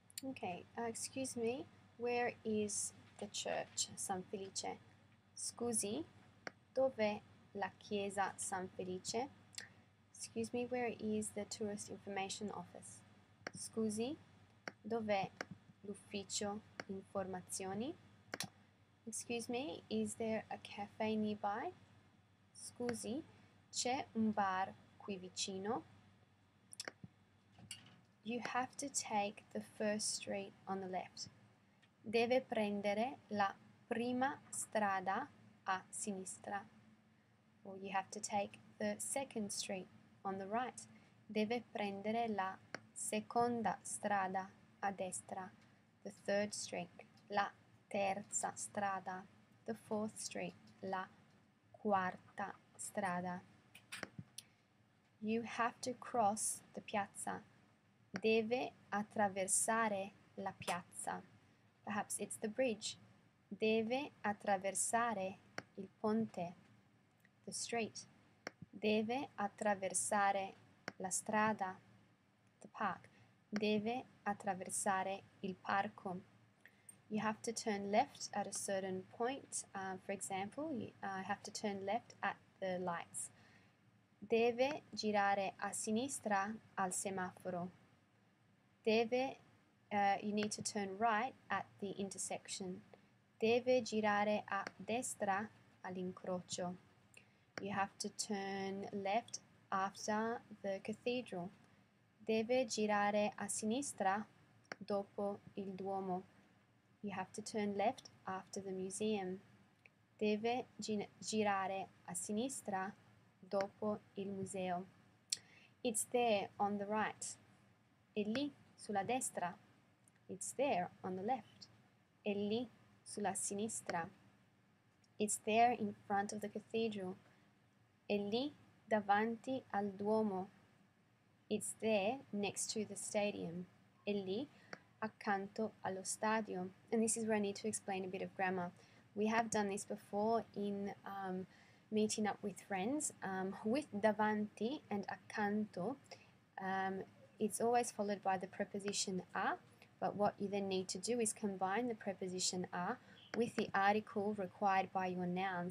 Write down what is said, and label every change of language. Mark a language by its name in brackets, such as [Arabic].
[English] Okay, excuse me, where is the church San Felice? [Italian] Scusi, dove la chiesa San Felice? [English] Excuse me, where is the tourist information office? [Italian] Scusi, dove l'ufficio informazioni? [English] Excuse me, is there a cafe nearby? [Italian] Scusi, c'è un bar qui vicino? [English] You have to take the first street on the left. [Italian] Deve prendere la prima strada a sinistra. [English] Or you have to take the second street on the right. [Italian] Deve prendere la seconda strada a destra. [English] The third street. [Italian] La terza strada. [English] The fourth street. [Italian] La quarta strada. [English] You have to cross the piazza. [Italian] Deve attraversare la piazza. [English] Perhaps it's the bridge. [Italian] Deve attraversare il ponte, [English] the street. [Italian] Deve attraversare la strada, [English] the park. [Italian] Deve attraversare il parco. [English] You have to turn left at a certain point. For example, you have to turn left at the lights. [Italian] Deve girare a sinistra al semaforo. [English] Deve, you need to turn right at the intersection. [Italian] Deve girare a destra all'incrocio. [English] You have to turn left after the cathedral. [Italian] Deve girare a sinistra dopo il Duomo. [English] You have to turn left after the museum. [Italian] Deve girare a sinistra dopo il museo. [English] It's there on the right. [Italian] È lì. Sulla destra, [English] it's there on the left. [Italian] È lì sulla sinistra, [English] it's there in front of the cathedral. [Italian] È lì davanti al Duomo, [English] it's there next to the stadium. [Italian] È lì accanto allo stadio. [English] And this is where I need to explain a bit of grammar. We have done this before in meeting up with friends. With davanti and accanto, it's always followed by the preposition a, but what you then need to do is combine the preposition a with the article required by your noun.